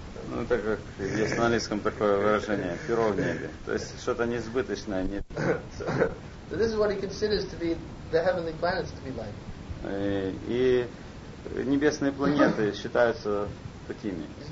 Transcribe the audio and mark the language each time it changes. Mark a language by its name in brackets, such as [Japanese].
[Russian] Ну, так как есть на английском такое выражение, перо в небе. То есть что-то несбыточное. Нет. [English] So this is what he considers to be the heavenly planets to be like. [Russian] И небесные планеты считаются такими.